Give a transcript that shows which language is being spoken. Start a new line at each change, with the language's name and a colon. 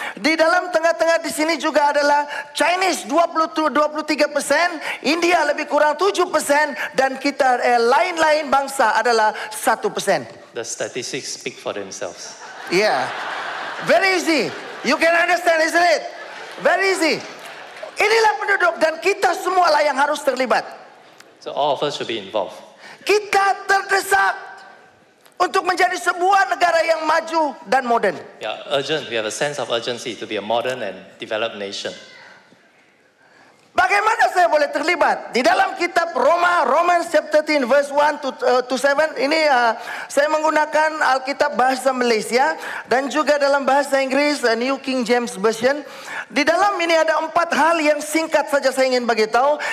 Malay: Di dalam tengah-tengah di sini juga adalah Chinese 23%, India lebih kurang 7%, dan kita lain-lain bangsa adalah 1%.
English: The statistics speak for themselves. Yeah. Very easy. You can understand, isn't it? Very easy.
Malay: Inilah penduduk, dan kita semualah yang harus terlibat.
English: So all of us should be involved.
Malay: Kita terdesak untuk menjadi sebuah negara yang maju dan modern.
English: Yeah, urgent. We have a sense of urgency to be a modern and developed nation.
Malay: Bagaimana saya boleh terlibat? Di dalam kitab Roma,
English: Romans chapter 13 verse 1 to 7,
Malay: ini saya menggunakan Alkitab bahasa Malaysia dan juga dalam bahasa Inggris New King James Version. Di dalam ini ada 4 hal yang singkat saja saya ingin beritahu.